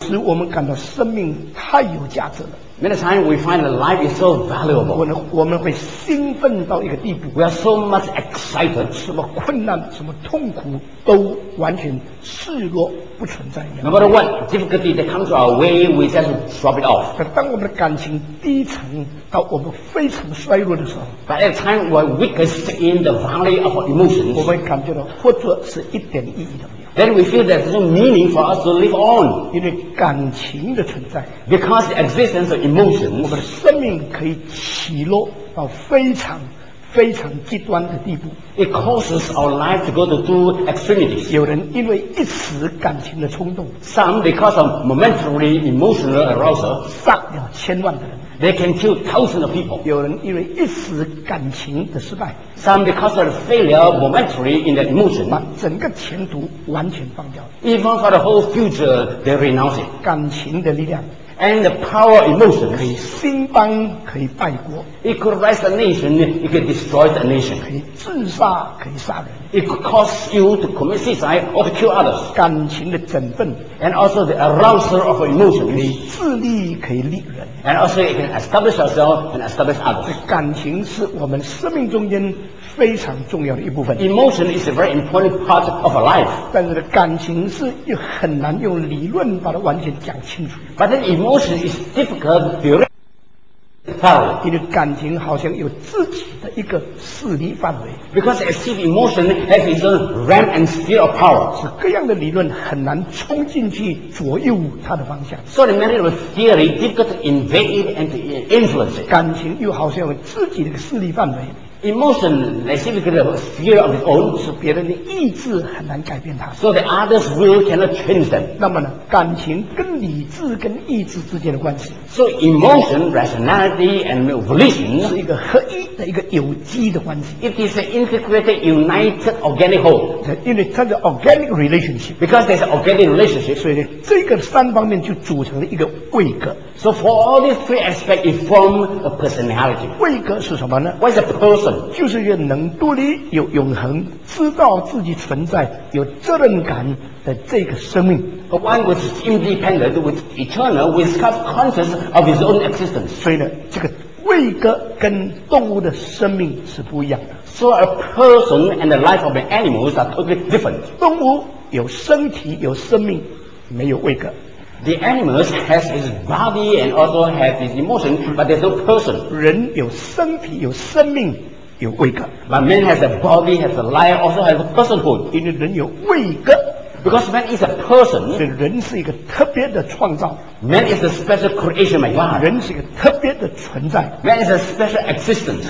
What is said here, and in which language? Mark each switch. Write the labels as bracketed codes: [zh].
[zh] 使我们感到生命太有价值了。 [en] Many times we find that life is so valuable. [zh] 我们会兴奋到一个地步。 [en] We are so much excited. [zh] 什么困难、什么痛苦都完全视若不存在。 [en] No matter what difficulty that comes our way, we just drop it off. [zh] 但当我们的感情低沉到我们非常衰弱的时候 [en] ，But at times we are weakest in the valley of emotions. [zh] 我们感觉到活着是一点意义的。 [en] Then we feel there's no meaning for us to live on. [zh] 因为感情的存在 [en] Because the existence of emotions. [zh] 我们的生命可以起落到非常非常极端的地步 [en] It causes our life to go to two extremities. [zh] 有人因为一时感情的冲动 [en] Some because of momentary emotional arousal. [zh] 杀了千万的人 [en] They can kill thousands of people. [zh] 有人因为一时感情的失败 [en] Some because of the failure momentary in that emotion. [zh] 把整个前途完全放掉 [en] Even for the whole future, they renounce it. [zh] 感情的力量 [en] And the power of emotion. [zh] 可以兴邦，可以败国 [en] It could rise a nation, it could destroy the nation. [zh] 可以自杀，可以杀人 [en] It could cause you to commit suicide or to kill others. [zh] 感情的振奋 [en] And also the arousal of emotion. [zh] 可以自立，可以立人 [en] And also it can establish yourself and establish others. [zh] 感情是我们生命中间非常重要的一部分 [en] Emotion is a very important part of our life [zh] 但是感情是又很难用理论把它完全讲清楚 [en] But then emotion is difficult to tell [zh] 因为感情好像有自己的一个势力范围 [en] Because as if emotion has its own realm and sphere of power [zh] 是各样的理论很难冲进去左右它的方向 [en] So the matter of theory difficult to invade it and to influence it [zh] 感情又好像有自己的势力范围 [en] Emotion, they seem to get a sphere of its own. [zh] 是别人的意志很难改变它。 [en] So the other's will cannot change them. [zh] 那么呢，感情跟理智跟意志之间的关系。 [en] So emotion, rationality, and volition [zh] 是一个合一的一个有机的关系。 [en] It is an integrated, united, organic whole. [zh] 因为它是 [en] organic relationship. Because there's an organic relationship. [zh] 所以这个三方面就组成了一个位格。 [en] So for all these three aspects, it form a personality. [zh] 位格是什么呢？ [en] What is a person? [zh] 就是一个能独立有永恒知道自己存在有责任感的这个生命 [en] But one which is independent with eternal with self-conscious of his own existence [zh] 所以呢这个位格跟动物的生命是不一样的 [en] So a person and the life of an animal are totally different [zh] 动物有身体有生命没有位格 [en] The animal has his body and also has his emotion, but there's no person. [zh] 人有身体，有生命，有位格。 [en] But man has a body, has a life, also has a personhood. [zh] 因为人有位格。 [en] Because man is a person. [zh] 所以人是一个特别的创造。 [en] Man is a special creation, my God. [zh] 人是一个特别的存在。 [en] Man is a special existence.